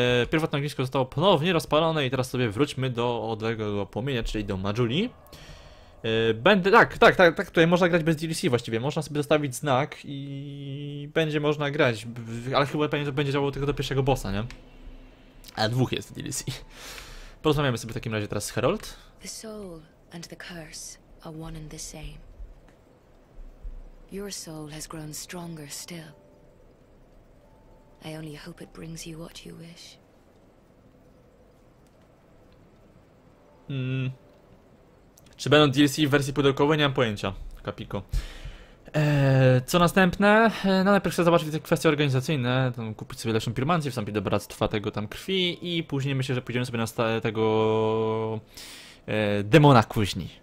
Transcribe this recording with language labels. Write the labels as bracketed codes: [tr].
[pl] Pierwotne ognisko zostało ponownie rozpalone i teraz sobie wróćmy do odległego płomienia, czyli do Majuli. Będę, tak, tutaj można grać bez DLC właściwie, można sobie zostawić znak i będzie można grać, ale chyba pewnie to będzie działało tylko do pierwszego bossa, nie? A dwóch jest w DLC. Porozmawiamy sobie w takim razie teraz z Herald. [en] The soul and the curse are one and the same. Your soul has grown stronger still. I only hope it brings you what you wish. [pl] Czy będą DLC w wersji pudełkowej? Nie mam pojęcia, kapiko. Co następne? No najpierw chcę zobaczyć te kwestie organizacyjne. Tam kupić sobie lepszą piromancję, wstąpić do Bractwa tego tam krwi i później myślę, że pójdziemy sobie na tego demona kuźni.